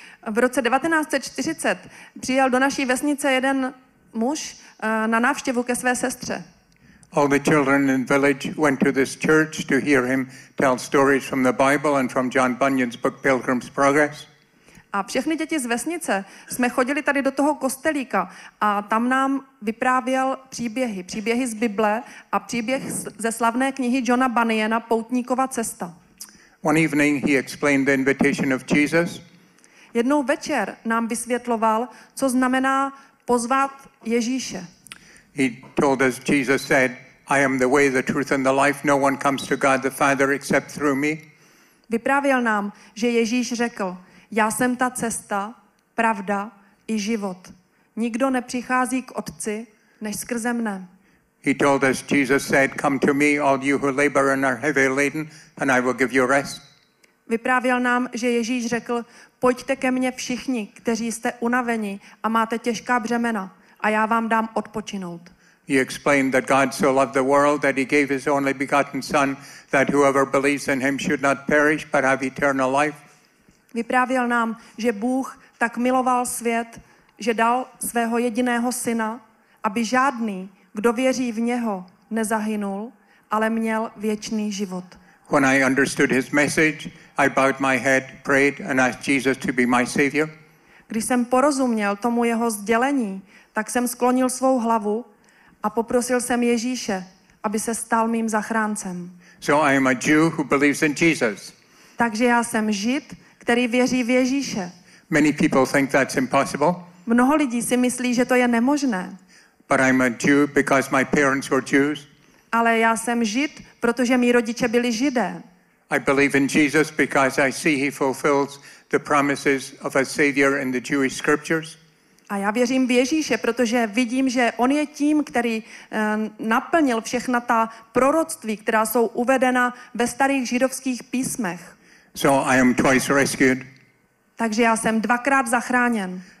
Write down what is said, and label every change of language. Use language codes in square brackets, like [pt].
[cs] V roce 1940 přijel do naší vesnice jeden muž na návštěvu ke své sestře. [en] All the children in the village went to this church to hear him tell stories from the Bible and from John Bunyan's book Pilgrim's Progress. [cs] A všechny děti z vesnice jsme chodili tady do toho kostelíka a tam nám vyprávěl příběhy, příběhy z Bible a příběh ze slavné knihy Johna Bunyana Poutníkova cesta. [en] One evening he explained the invitation of Jesus. [cs] Jednou večer nám vysvětloval, co znamená pozvat Ježíše. [en] He told us Jesus said, I am the way, the truth and the life. No one comes to God the Father except through me. [cs] Vyprávěl nám, že Ježíš řekl, já jsem ta cesta, pravda i život. Nikdo nepřichází k Otci než skrze mne. [en] He told us Jesus said, come to me all you who labor and are heavy laden and I will give you rest. [cs] Vyprávěl nám, že Ježíš řekl, pojďte ke mně všichni, kteří jste unaveni a máte těžká břemena a já vám dám odpočinout. [en] He explained that God so loved the world that he gave his only begotten son that whoever believes in him should not perish but have eternal life. [cs] Vyprávěl nám, že Bůh tak miloval svět, že dal svého jediného syna, aby žádný, kdo věří v něho, nezahynul, ale měl věčný život. [en] When I understood his message, I bowed my head, prayed and asked Jesus to be my savior. [cs] Když jsem porozuměl tomu jeho sdělení, tak jsem sklonil svou hlavu a poprosil jsem Ježíše, aby se stal mým zachráncem. [en] So I am a Jew who believes in Jesus. [cs] Takže já jsem Žid, který věří v Ježíše. [en] Many people think that's impossible. [cs] Mnoho lidí si myslí, že to je nemožné. [en] But I'm a Jew because my parents were Jews. [cs] Ale já jsem Žid, protože mí rodiče byli Židé. [en] I believe in Jesus because I see he fulfills the promises of a savior in the Jewish scriptures. [cs] A já věřím v Ježíše, protože vidím, že on je tím, který naplnil všechna ta proroctví, která jsou uvedena ve starých židovských písmech. [en] So I am twice rescued. [cs] Takže já jsem dvakrát zachráněn.